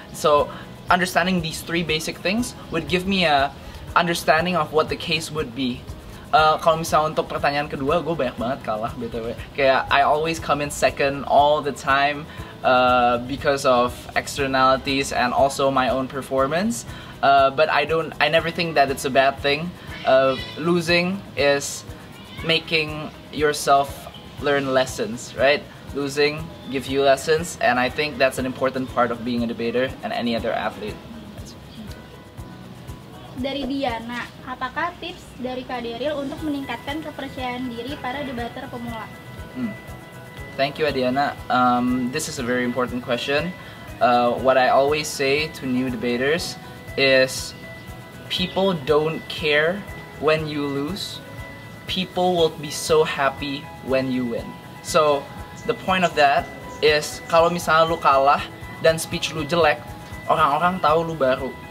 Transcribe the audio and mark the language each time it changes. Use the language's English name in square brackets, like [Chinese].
[English] So understanding these three basic things would give me a understanding of what the case would be. [Indonesian] Kalau misalnya untuk pertanyaan kedua, gue banyak banget kalah btw. [English] Kayak I always come in second all the time because of externalities and also my own performance. But I never think that it's a bad thing. Losing is making yourself learn lessons, right? Losing give you lessons, and I think that's an important part of being a debater and any other athlete. [Indonesian] Dari Diana, apakah tips dari Kak Daryl untuk meningkatkan kepercayaan diri para debater pemula? [English] Thank you, Adiana. This is a very important question. What I always say to new debaters is people don't care when you lose, people will be so happy when you win. So the point of that is [Indonesian] kalau misalnya lu kalah dan speech lu jelek, orang-orang tahu lu baru.